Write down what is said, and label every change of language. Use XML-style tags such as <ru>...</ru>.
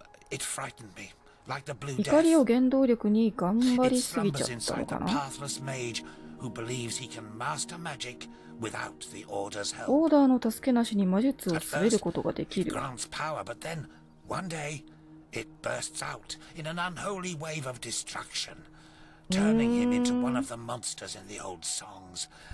<en>It frightened me, like the blue death.</en> <ja>怒りを原動力に頑張りすぎちゃったのかな。</ja> <en>It slumbers inside the pathless mage who believes he can master magic without the order's help.</en> <ja>オーダーの助けなしに魔術を滑ることができる。</ja> <en>It grants power, but then one day it bursts out in an unholy wave of destruction. Turning him into one of the monsters in the old songs.</en>